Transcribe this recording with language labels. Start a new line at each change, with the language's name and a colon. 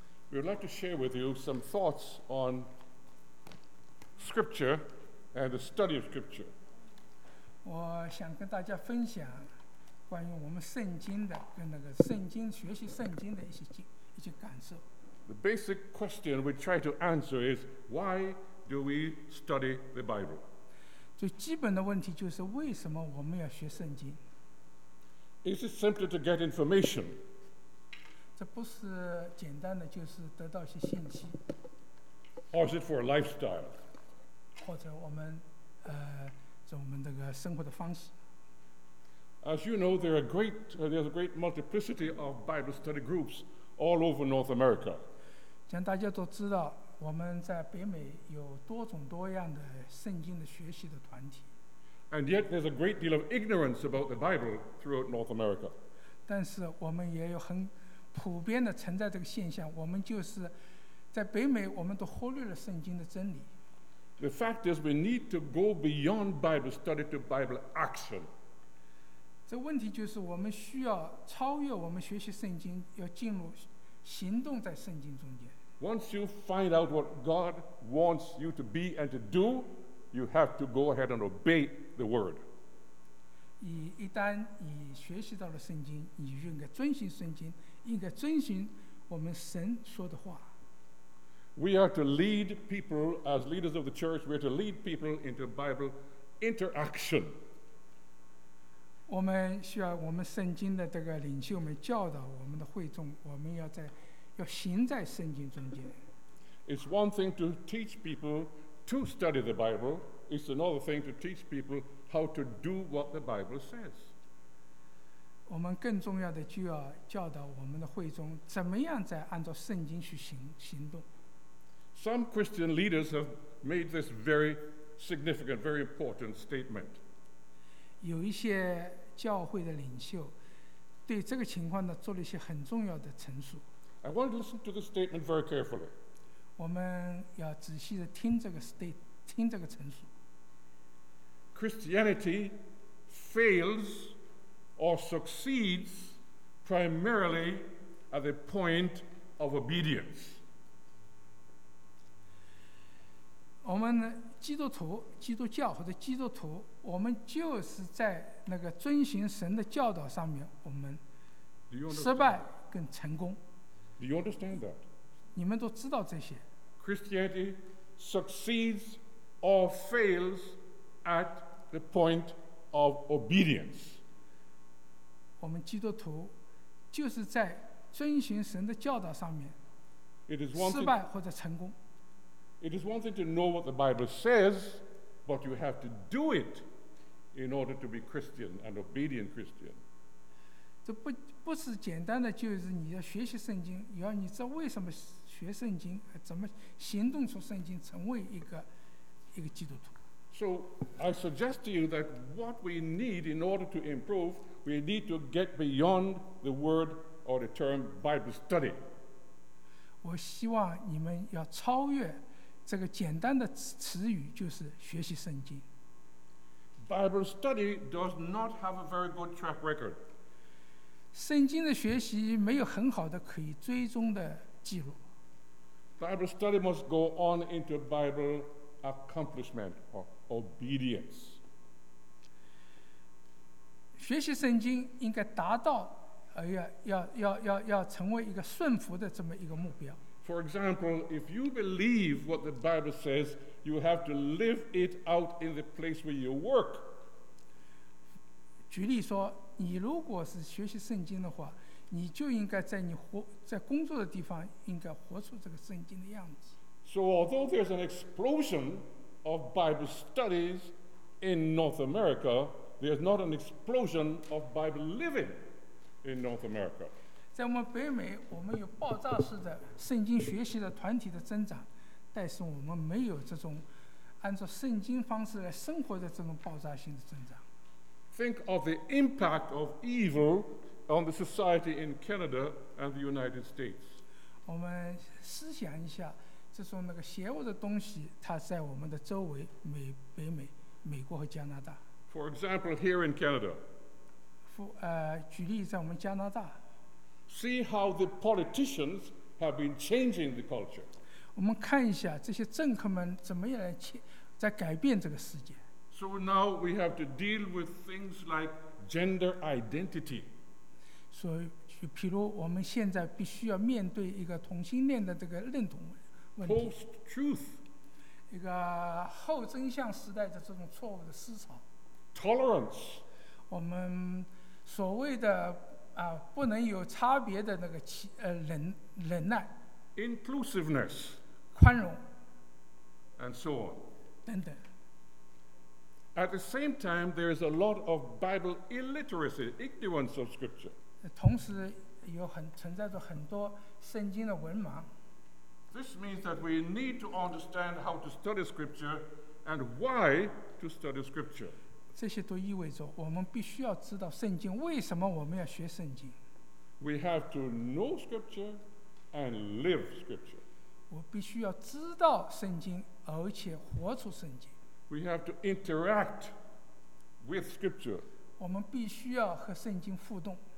English: We would like to share with you some thoughts on Scripture and the study of Scripture.
Chinese: 我想跟大家分享关于我们圣经的跟那个圣经学习圣经的一些感受。
English: The basic question we try to answer is why do we study the Bible?
Chinese: 最基本的问题就是为什么我们要学圣经？
English: Is it simply to get information?
Chinese: 这不是简单的就是得到一些信息。
English: Or is it for a lifestyle?
Chinese: 或者我们这我们这个生活的方式。
English: As you know, there's a great multiplicity of Bible study groups all over North America.
Chinese: 像大家都知道，我们在北美有多种多样的圣经的学习的团体。
English: And yet, there's a great deal of ignorance about the Bible throughout North America.
Chinese: 但是我们也有很普遍的存在这个现象，我们就是在北美，我们都忽略了圣经的真理。
English: The fact is, we need to go beyond Bible study to Bible action.
Chinese: 这问题就是我们需要超越我们学习圣经，要进入行动在圣经中间。
English: Once you find out what God wants you to be and to do, you have to go ahead and obey the word.
Chinese: 一旦你学习到了圣经，你就应该遵循圣经，应该遵循我们神说的话。
English: We are to lead people as leaders of the church. We are to lead people into Bible interaction.
Chinese: 我们需要我们圣经的这个领袖们教导我们的会众，我们要行在圣经中间。
English: It's one thing to teach people to study the Bible. It's another thing to teach people how to do what the Bible says.
Chinese: 我们更重要的就要教导我们的会众怎么样在按照圣经去行动。
English: Some Christian leaders have made this very significant, very important statement.
Chinese: 有一些教会的领袖对这个情况呢做了一些很重要的陈述。
English: I want to listen to the statement very carefully.
Chinese: 我们要仔细的听这个陈述。
English: Christianity fails or succeeds primarily at the point of obedience.
Chinese: 我们呢基督徒、基督教或者基督徒，我们就是在那个遵循神的教导上面，我们失败跟成功。
English: Do you understand that?
Chinese: 你们都知道这些。
English: Christianity succeeds or fails at the point of obedience.
Chinese: 我们基督徒就是在遵循神的教导上面，失败或者成功。
English: It is one thing to know what the Bible says, but you have to do it in order to be Christian, an obedient Christian.
Chinese: 这不是简单的，就是你要学习圣经，要你知道为什么学圣经，怎么行动出圣经，成为一个基督徒。
English: So I suggest to you that what we need in order to improve, we need to get beyond the word or the term Bible study.
Chinese: 我希望你们要超越这个简单的词语就是学习圣经。
English: Bible study does not have a very good track record.
Chinese: 圣经的学习没有很好的可以追踪的记录。
English: Bible study must go on into Bible accomplishment or obedience.
Chinese: 学习圣经应该达到，要成为一个顺服的这么一个目标。
English: For example, if you believe what the Bible says, you have to live it out in the place where you work.
Chinese: 举例说，你如果是学习圣经的话，你就应该在工作的地方应该活出这个圣经的样子。
English: So although there's an explosion of Bible studies in North America, there's not an explosion of Bible living in North America.
Chinese: 在我们北美，我们有爆炸式的圣经学习的团体的增长，但是我们没有这种按照圣经方式来生活的这种爆炸性的增长。
English: Think of the impact of evil on the society in Canada and the United States.
Chinese: 我们思想一下，这种那个邪恶的东西，它在我们的周围，北美、美国和加拿大。
English: For example, here in Canada.
Chinese: 举例在我们加拿大。
English: See how the politicians have been changing the culture.
Chinese: 我们看一下这些政客们怎么样来在改变这个世界。
English: So now we have to deal with things like gender identity.
Chinese: 所以就譬如我们现在必须要面对一个同性恋的这个认同问题。
English: Post-truth.
Chinese: 一个后真相时代的这种错误的思潮。
English: Tolerance.
Chinese: 我们所谓的啊不能有差别的那个忍耐。
English: Inclusiveness.
Chinese: 宽容。
English: And so on.
Chinese: 等等。
English: At the same time, there is a lot of Bible illiteracy, ignorance of Scripture.
Chinese: 同时有很存在着很多圣经的文盲。
English: This means that we need to understand how to study Scripture and why to study Scripture.
Chinese: 这些都意味着我们必须要知道圣经，为什么我们要学圣经。
English: We have to know Scripture and live Scripture.
Chinese: 我必须要知道圣经，而且活出圣经。
English: We have to interact with Scripture.
Chinese: 我们必须要和圣经互动。